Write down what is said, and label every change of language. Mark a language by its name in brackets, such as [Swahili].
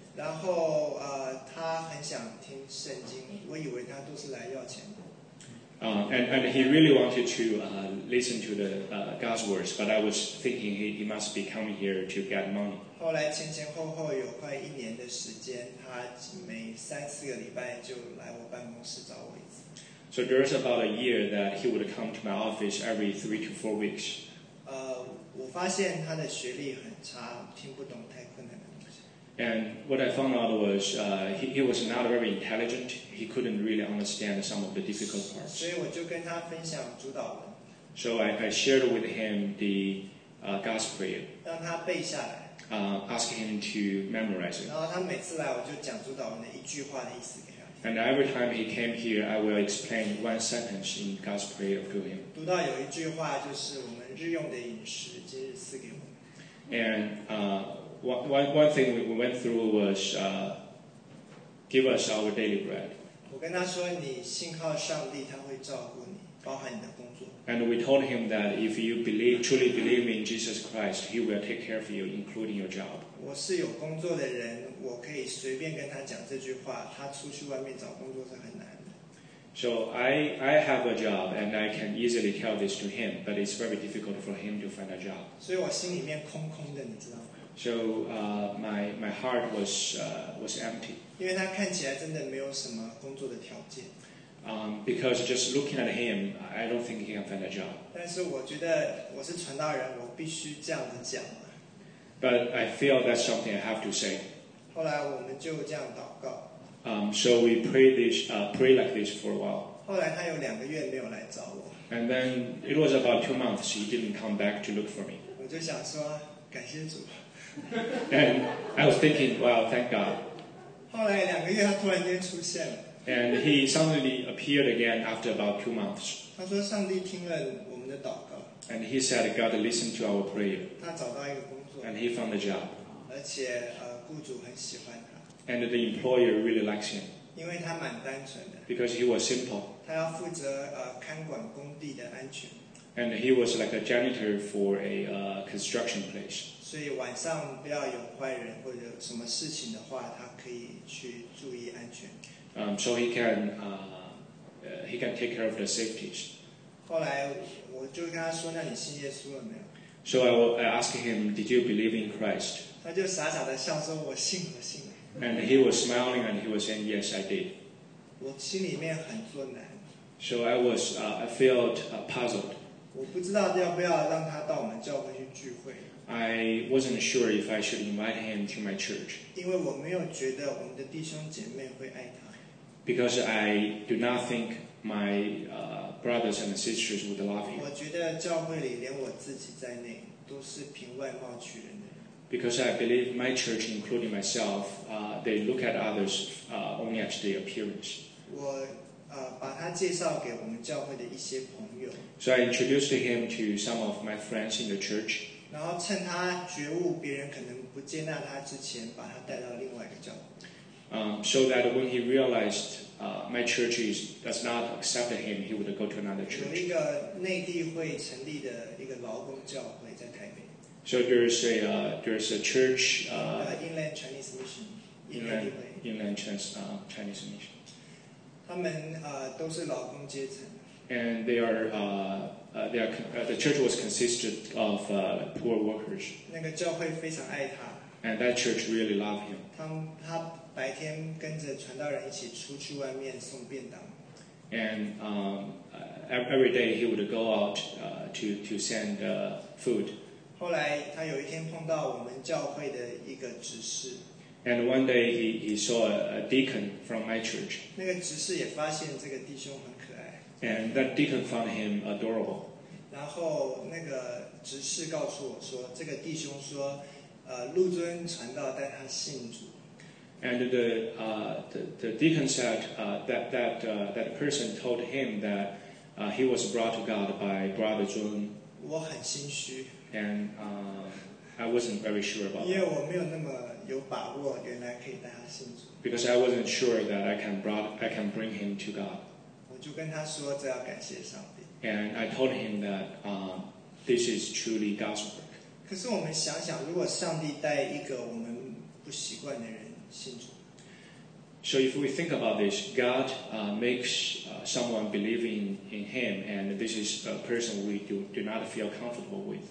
[Chinese] 然后他很想听圣经，我以为他都是来要钱的。 [English] And he really wanted to listen to the God's words, but I was thinking he must be coming here to get money. [Chinese] 后来前前后后有快一年的时间，他每三四个礼拜就来我办公室找我一次。 [English] So there's about a year that he would come to my office every 3 to 4 weeks. [Chinese] 我发现他的学历很差，听不懂太困难。 [English] And what I found out was he was not very intelligent. He couldn't really understand some of the difficult parts. [Chinese] 所以我就跟他分享主导文。 [English] So I shared with him the God's prayer. [Chinese] 让他背下来。 [English] Ask him to memorize it. [Chinese] 然后他每次来，我就讲主导文的一句话的意思给他。 [English] And every time he came here, I will explain one sentence in God's prayer to him. [Chinese] 读到有一句话就是我们日用的饮食，今日赐给我们。 [English] And one thing we went through was give us our daily bread. [Chinese] 我跟他说你信靠上帝，他会照顾你，包含你的工作。 [English] And we told him that if you believe, truly believe in Jesus Christ, he will take care of you, including your job. [Chinese] 我是有工作的人，我可以随便跟他讲这句话，他出去外面找工作是很难的。 [English] So I have a job, and I can easily tell this to him, but it's very difficult for him to find a job. [Chinese] 所以我心里面空空的，你知道吗？ [English] So my heart was empty. [Chinese] 因为他看起来真的没有什么工作的条件。 [English] Because just looking at him, I don't think he can find a job. [Chinese] 但是我觉得我是传道人，我必须这样子讲。 [English] But I feel that's something I have to say. [Chinese] 后来我们就这样祷告。 [English] So we pray this, pray like this for a while. [Chinese] 后来他有两个月没有来找我。 [English] And then it was about 2 months he didn't come back to look for me. [Chinese] 我就想说感谢主。 [English] And I was thinking, wow, thank God. [Chinese] 后来两个月他突然间出现了。 [English] And he suddenly appeared again after about 2 months. [Chinese] 他说上帝听了我们的祷告。 [English] And he said God listened to our prayer. [Chinese] 他找到一个工作。 [English] And he found a job. [Chinese] 而且雇主很喜欢他。 [English] And the employer really likes him. [Chinese] 因为他蛮单纯的。 [English] Because he was simple. [Chinese] 他要负责看管工地的安全。 [English] And he was like a janitor for a construction place. [Chinese] 所以晚上不要有坏人或者什么事情的话，他可以去注意安全。 [English] So he can take care of the safeties. [Chinese] 后来我就跟他说，那你信耶稣了没有？ [English] So I asked him, did you believe in Christ? [Chinese] 他就傻傻的笑说，我信了，信了。 [English] And he was smiling and he was saying, yes, I did. [Chinese] 我心里面很作难。 [English] So I was, I felt puzzled. [Chinese] 我不知道要不要让他到我们教会去聚会。 [English] I wasn't sure if I should invite him to my church. [Chinese] 因为我没有觉得我们的弟兄姐妹会爱他。 [English] Because I do not think my brothers and sisters would love him. [Chinese] 我觉得教会里连我自己在内都是凭外貌取人的。 [English] Because I believe my church, including myself, they look at others only at their appearance. [Chinese] 我把他介绍给我们教会的一些朋友。 [English] So I introduced him to some of my friends in the church. [Chinese] 然后趁他觉悟别人可能不接纳他之前，把他带到另外一个教会。 [English] So that when he realized my church does not accept him, he would go to another church. [Chinese] 有一个内地会成立的一个劳工教会在台北。 [English] So there's a church. Inland Chinese Mission. Inland Chinese Mission. [Chinese] 他们都是劳工阶层。 [English] And the church was consisted of poor workers. [Chinese] 那个教会非常爱他。 [English] And that church really loved him. [Chinese] 他白天跟着传道人一起出去外面送便当。 [English] And every day he would go out to send food. [Chinese] 后来他有一天碰到我们教会的一个执事。 [English] And one day he saw a deacon from my church. [Chinese] 那个执事也发现这个弟兄很可爱。 [English] And that deacon found him adorable. [Chinese] 然后那个执事告诉我说，这个弟兄说，陆尊传道带他信主。 [English] And the deacon said that person told him that he was brought to God by Brother Zhun. [Chinese] 我很心虚。 [English] And I wasn't very sure about. [Chinese] 因为我没有那么有把握，原来可以带他信主。 [English] Because I wasn't sure that I can bring him to God. [Chinese] 我就跟他说，这要感谢上帝。 [English] And I told him that this is truly God's work. [Chinese] 可是我们想想，如果上帝带一个我们不习惯的人。 [English] So if we think about this, God makes someone believe in him, and this is a person we do not feel comfortable with.